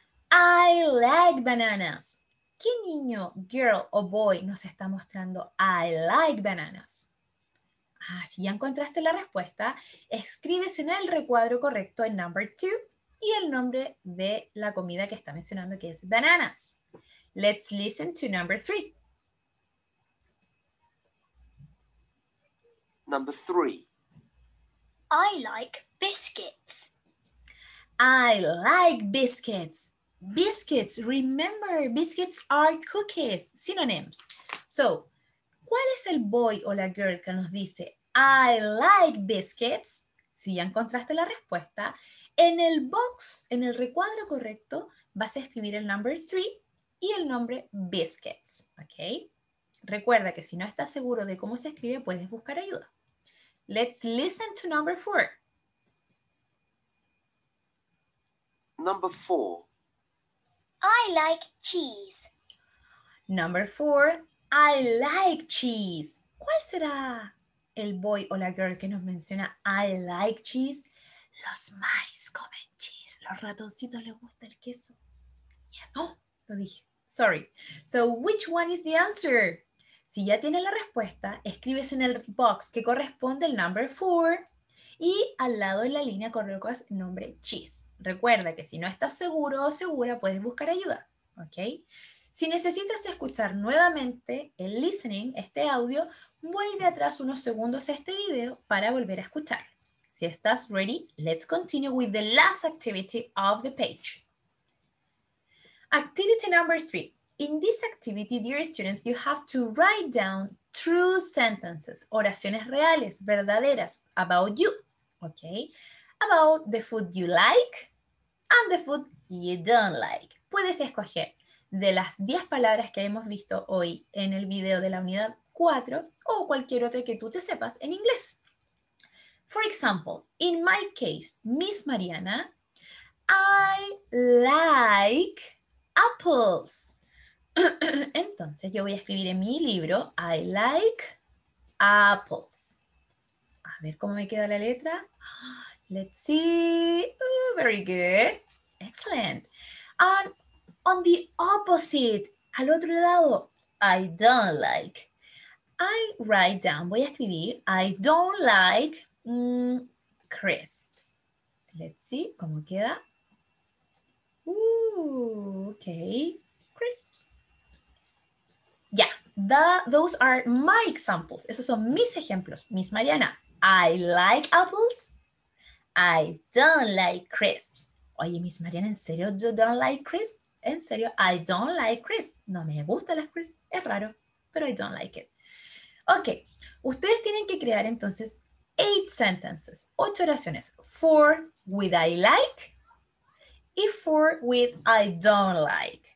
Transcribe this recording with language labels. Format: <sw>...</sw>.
<en>I like bananas.</en> <es>¿Qué niño, girl o boy nos está mostrando</es> <en>I like bananas?</en> <es>Ah, si ya encontraste la respuesta, escribes en el recuadro correcto el number two y el nombre de la comida que está mencionando, que es bananas.</es> <en>Let's listen to number three. Number three. I like biscuits. I like biscuits. Biscuits, remember, biscuits are cookies, synonyms.</en> <es>So, ¿cuál es el boy o la girl que nos dice</es> <en>I like biscuits?</en> <es>Si ya encontraste la respuesta, en el box, en el recuadro correcto, vas a escribir el number three y el nombre biscuits, ¿ok? Recuerda que si no estás seguro de cómo se escribe, puedes buscar ayuda.</es> <en>Let's listen to number four. Number four. I like cheese. Number four, I like cheese.</en> <es>¿Cuál será el boy o la girl que nos menciona</es> <en>I like cheese?</en> <es>Los mice comen cheese. Los ratoncitos les gusta el queso. Yes. Oh, lo dije. Sorry.</es> <en>So, which one is the answer?</en> <es>Si ya tienes la respuesta, escribes en el box que corresponde el number four. Y al lado de la línea colocas el nombre cheese. Recuerda que si no estás seguro o segura, puedes buscar ayuda. ¿Okay? Si necesitas escuchar nuevamente el listening, este audio, vuelve atrás unos segundos a este video para volver a escuchar. Si estás</es> <en>ready, let's continue with the last activity of the page. Activity number three. In this activity, dear students, you have to write down true sentences,</en> <es>oraciones reales, verdaderas,</es> <en>about you, okay? About the food you like and the food you don't like.</en> <es>Puedes escoger de las 10 palabras que hemos visto hoy en el video de la unidad 4 o cualquier otra que tú te sepas en inglés.</es> <en>For example, in my case, Miss Mariana, I like apples.</en> <es>Entonces, yo voy a escribir en mi libro,</es> <en>I like apples.</en> <es>A ver cómo me queda la letra.</es> <en>Let's see. Oh, very good. Excellent. And on the opposite,</en> <es>al otro lado,</es> <en>I don't like. I write down,</en> <es>voy a escribir,</es> <en>I don't like crisps. Let's see</en> <es>cómo queda.</es> <en>Okay. Crisps. Those are my examples.</en> <es>Esos son mis ejemplos.</es> <en>Miss Mariana, I like apples. I don't like crisps.</en> <es>Oye,</es> <en>Miss Mariana,</en> <es>¿en serio</es> <en>you don't like crisps?</en> <es>En serio,</es> <en>I don't like crisps.</en> <es>No me gustan las crisps. Es raro, pero</es> <en>I don't like it.</en> <es>Ok, ustedes tienen que crear entonces</es> <en>8 sentences,</en> <es>8 oraciones. 4 with I like y 4 with I don't like.</es>